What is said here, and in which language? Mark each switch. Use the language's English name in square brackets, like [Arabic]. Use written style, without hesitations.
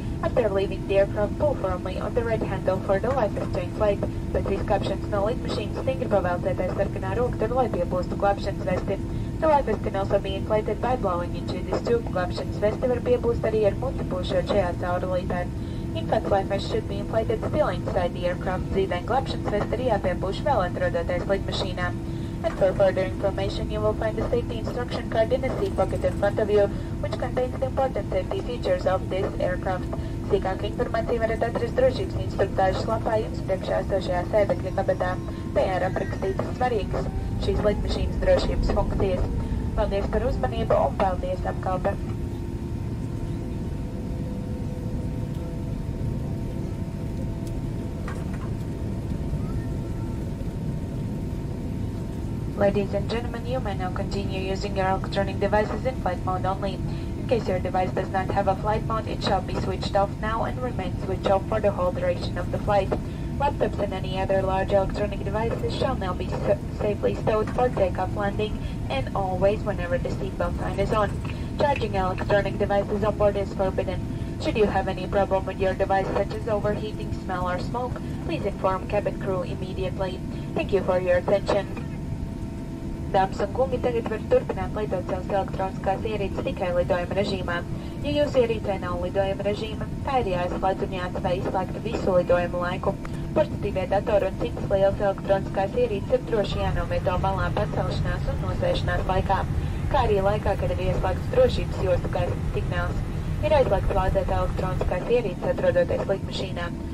[English] After leaving the aircraft, pull firmly on the red handle for the life vest to inflate. [Latvian] Pēc izkāpšanas no lidmašīnas stingri pavēlcētai sarkanā rokta, lai piepūstu glābšanas vesti. [English] The life vest can also be inflated by blowing into this tube. [Latvian] Glābšanas vesti var piepūst arī ar muti pūšot šajā caurulītē. [English] In fact, life vest should be inflated still inside the aircraft. [Latvian] Dzīvēm glābšanas vesti arī jāpiepūš vēl atrodoties lidmašīnā. [English] And for further information, you will find the safety instruction card in a seat pocket in front of you, which contains the important safety features of this aircraft. [Latvian] Sīkāka informācija varat atrast drošības instruktāžas lapā jums priekšā esošajā sēdekļa kabatā. Tajā ir aprakstītas svarīgas šīs lidmašīnas drošības funkcijas. Paldies par uzmanību un paldies apkalpe! [English] Ladies and gentlemen, you may now continue using your electronic devices in flight mode only. In case your device does not have a flight mode, it shall be switched off now and remain switched off for the whole duration of the flight. Laptops and any other large electronic devices shall now be safely stowed for takeoff landing and always whenever the seatbelt sign is on. Charging electronic devices onboard is forbidden. Should you have any problem with your device such as overheating, smell or smoke, please inform cabin crew immediately. Thank you for your attention. [Latvian] Dāmas un kungi, tagad var turpināt lietot savas elektroniskās ierīces tikai lidojuma režīmā. Ja jūsu ierīcē nav lidojuma režīma, tā ir jāizslēdz un jāatstāj izslēgta visu lidojuma laiku. Portatīvie datori un citas lielas elektroniskās ierīces ir droši jānovieto malā pacelšanās un nosēšanās laikā, kā arī laikā, kad ir ieslēgts drošības jostu gaismas signāls. Ir aizslēgts lādēt elektroniskās ierīces atrodoties lidmašīnā.